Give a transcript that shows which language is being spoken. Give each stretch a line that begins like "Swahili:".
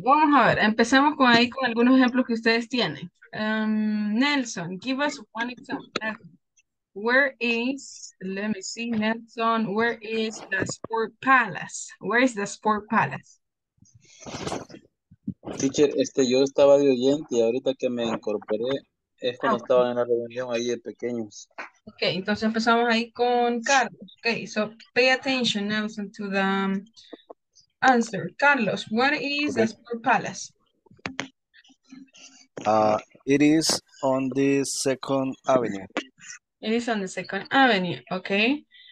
Spanish: Vamos a ver, empecemos con ahí con algunos ejemplos que ustedes tienen.
English: Nelson, give us one example. Where is, let me see, Nelson, where is the Sport Palace? Where is the Sport Palace?
Spanish: Teacher, yo estaba de oyente y ahorita que me incorporé es cuando estaba en la reunión ahí de pequeños. Okay, entonces empezamos ahí con Carlos.
English: Okay, so pay attention now to the answer. Carlos, what is the Sport Palace? It is on the Second Avenue. It is on the Second Avenue, okay.